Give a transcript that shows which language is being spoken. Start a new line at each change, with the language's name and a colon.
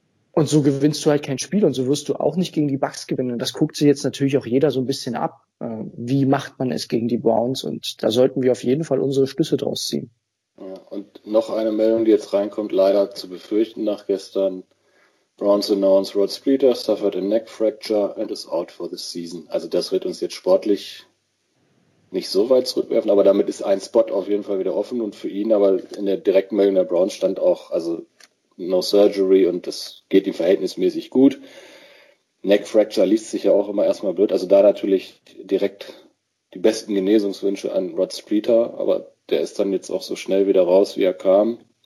German: Und so gewinnst du halt kein Spiel und so wirst du auch nicht gegen die Bucks gewinnen. Und das guckt sich jetzt natürlich auch jeder so ein bisschen ab. Wie macht man es gegen die Browns? Und da sollten wir auf jeden Fall unsere Schlüsse draus ziehen. Und noch eine Meldung, die jetzt reinkommt, leider zu befürchten nach gestern.
English: Browns announced Rod Spreeder suffered a neck fracture and is out for the season.
German: Also das wird uns jetzt sportlich nicht so weit zurückwerfen, aber damit ist ein Spot auf jeden Fall wieder offen und für ihn, aber in der direkten Meldung der Browns stand auch, also
English: no surgery
German: und das geht ihm verhältnismäßig gut. Neck fracture liest sich ja auch immer erstmal blöd, also da natürlich direkt die besten Genesungswünsche an Rod Spreeder, aber der ist dann jetzt auch so schnell wieder raus, wie er kam.